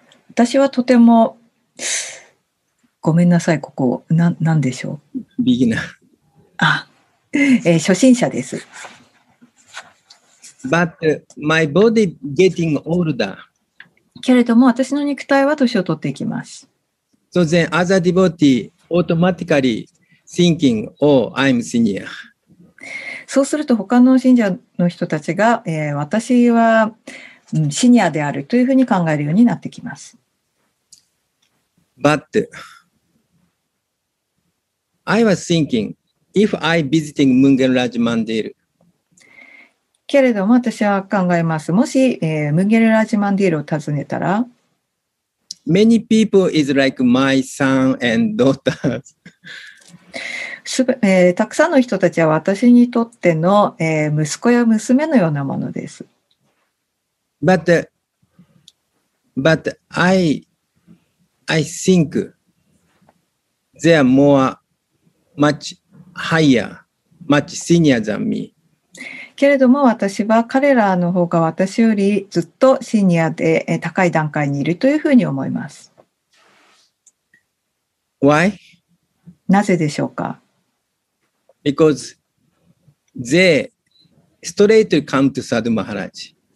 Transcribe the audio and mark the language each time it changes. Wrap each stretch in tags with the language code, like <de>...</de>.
<ja>私はとてもごめんなさいここな何でしょう。</ja> <en>Beginner.</en> <ja>初心者です。</ja> <en>But my body getting older.</en> <ja>けれども私の肉体は年を取っていきます。</ja> <en>So then as a devotee automaticallyThinking, oh, I'm senior.</en> <ja>そうすると他の信者の人たちが、私は、シニアであるというふうに考えるようになってきます。</ja> <en>But I was thinking, If I visiting Mungen Raj Mandir.</en> <ja>けれども私は考えます。もし、Mungen Raj Mandir を訪ねたら、</ja> <en>Many people is like my son and daughters.</en> <ja>すべ、たくさんの人たちは私にとっての、息子や娘のようなものです。</ja> <en>But I think they are more much higher, much senior than me.</en> <ja>けれども私は彼らの方が私よりずっとシニアで高い段階にいるというふうに思います。</ja> <en>Why?</en> <ja>なぜでしょうか?</ja> <en>Because they straight come to Sadhu Maharaj.</en>